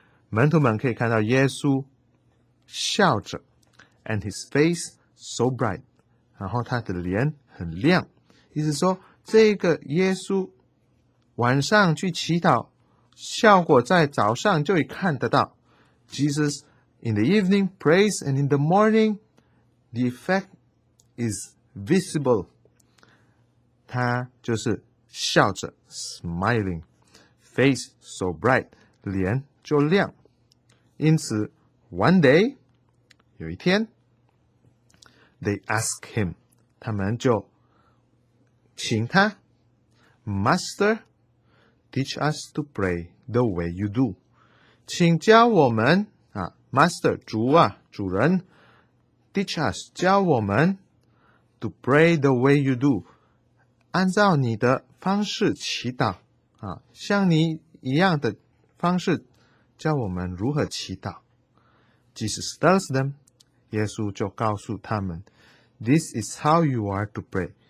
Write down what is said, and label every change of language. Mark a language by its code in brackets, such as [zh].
[zh] 门徒们可以看到耶稣笑着 ， [en] and his face so bright. [zh] 然后他的脸很亮，意思说这个耶稣晚上去祈祷，效果在早上就已看得到。 [en] Jesus in the evening prays and in the morning the effect is visible. [zh] 他就是笑着 , [en] smiling, face so bright, [zh] 脸就亮。 [en] 因此 one day, [zh] 有一天 [en] they ask him, [zh] 他们就请他 [en] Master, teach us to pray the way you do. [zh] 请教我们、 [en] 啊、Master, [zh] 主啊主人 [en] teach us, [zh] 教我们 [en] to pray the way you do. [zh] 按照你的方式祈祷、啊、像你一样的方式教我们如何祈祷。 [en] Jesus tells them, [zh] 耶稣就告诉他们 [en] This is how you are to pray.